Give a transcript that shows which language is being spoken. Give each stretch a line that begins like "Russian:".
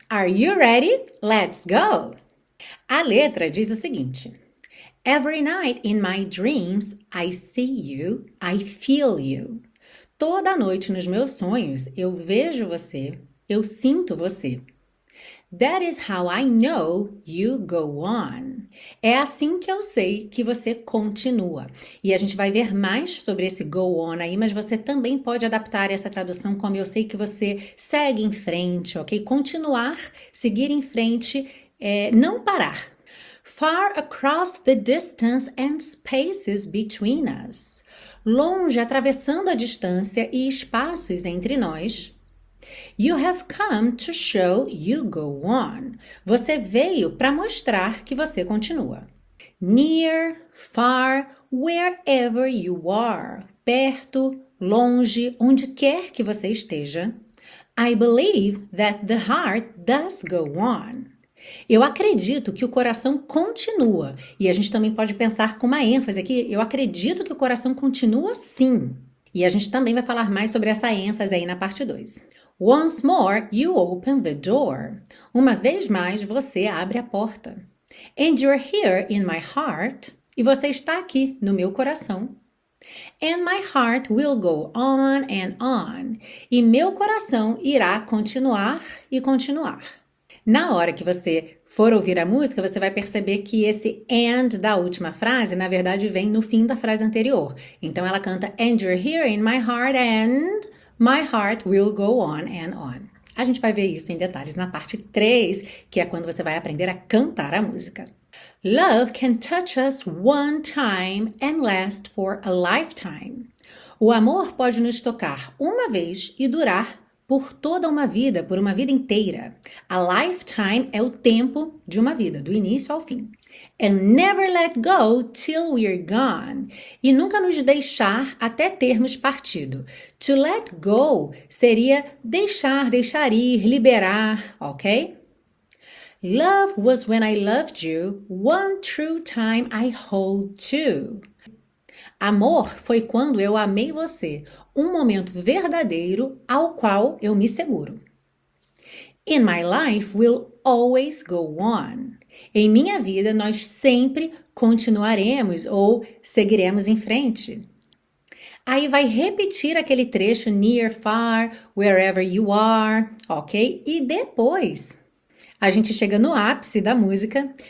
English: Are you ready? Let's go!
Portuguese: A letra diz o seguinte:
English: Every night in my dreams, I see you, I feel you.
Portuguese: Toda noite nos meus sonhos, eu vejo você, eu sinto você.
English: That is how I know you go on.
Portuguese: É assim que eu sei que você continua. E a gente vai ver mais sobre esse go on aí, mas você também pode adaptar essa tradução como eu sei que você segue em frente, ok? Continuar, seguir em frente, não parar.
English: Far across the distance and spaces between us.
Portuguese: Longe, atravessando a distância e espaços entre nós.
English: You have come to show you go on.
Portuguese: Você veio para mostrar que você continua.
English: Near, far, wherever you are.
Portuguese: Perto, longe, onde quer que você esteja.
English: I believe that the heart does go on.
Portuguese: Eu acredito que o coração continua. E a gente também pode pensar com uma ênfase aqui. Eu acredito que o coração continua sim. E a gente também vai falar mais sobre essa ênfase aí na parte 2.
English: Once more, you open the door.
Portuguese: Uma vez mais, você abre a porta.
English: And you're here in my heart.
Portuguese: E você está aqui no meu coração.
English: And my heart will go on and on.
Portuguese: E meu coração irá continuar e continuar. Na hora que você for ouvir a música, você vai perceber que esse and da última frase, na verdade, vem no fim da frase anterior. Então ela canta
English: And you're here in my heart and my heart will go on and on.
Portuguese: A gente vai ver isso em detalhes na parte 3, que é quando você vai aprender a cantar a música.
English: Love can touch us one time and last for a lifetime.
Portuguese: O amor pode nos tocar uma vez e durar por toda uma vida, por uma vida inteira. A lifetime é o tempo de uma vida, do início ao fim.
English: And never let go till we're gone.
Portuguese: E nunca nos deixar até termos partido. To let go seria deixar, deixar ir, liberar, ok?
English: Love was when I loved you, one true time I hold to.
Portuguese: Amor foi quando eu amei você, um momento verdadeiro ao qual eu me seguro.
English: In my life will always go on.
Portuguese: Em minha vida nós sempre continuaremos ou seguiremos em frente. Aí vai repetir aquele trecho
English: near, far, wherever you are,
Portuguese: ok? E depois a gente chega no ápice da música.